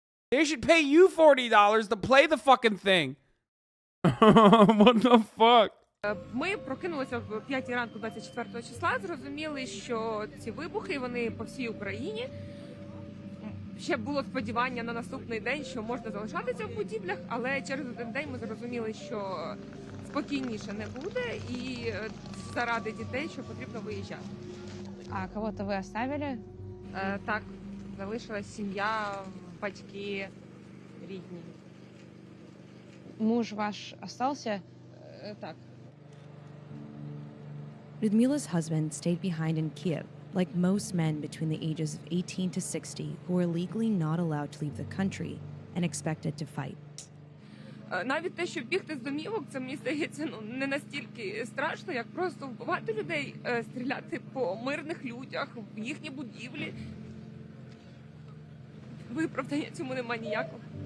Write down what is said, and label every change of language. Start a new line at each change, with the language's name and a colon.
English: They should pay you $40 to play the fucking thing. What the fuck?
Ukrainian: Ми прокинулися в 5 ранку 24 числа, зрозуміли, що ці вибухи, вони по всій Україні. Ще було сподівання на наступний день, що можна залишатися в будівлях, але через один день ми зрозуміли, що спокійніше не буде і заради дітей, що потрібно виїжджати.
Russian: А кого-то ви оставили?
Ukrainian: Так, залишилась сім'я, батьки, рідні.
Russian: Муж ваш остався?
Ukrainian: Так.
English: Людмила's husband stayed behind in Kiev, like most men between the ages of 18 to 60 who are legally not allowed to leave the country and expected to fight.
Ukrainian: Навіть те, що бігти з домівок, це мені здається, ну, не настільки страшно, як просто вбивати людей, стріляти по мирних людях, в їхні будівлі. Виправдання цьому немає ніякого.